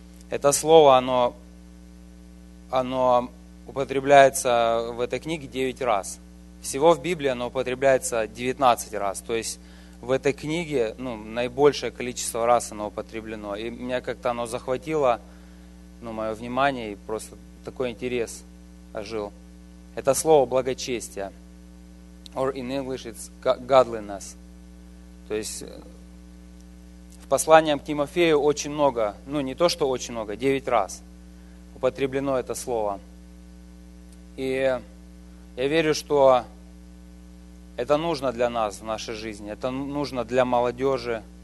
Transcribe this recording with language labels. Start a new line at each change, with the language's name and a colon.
Russian: Это слово, оно употребляется в этой книге 9 раз. Всего в Библии оно употребляется 19 раз. То есть в этой книге наибольшее количество раз оно употреблено. И меня как-то оно захватило, мое внимание, и просто такой интерес ожил. Это слово «благочестие».
English: Or in English it's godliness.
Russian: То есть посланием к Тимофею очень много, не то что очень много, 9 раз употреблено это слово. И я верю, что это нужно для нас в нашей жизни, это нужно для молодежи.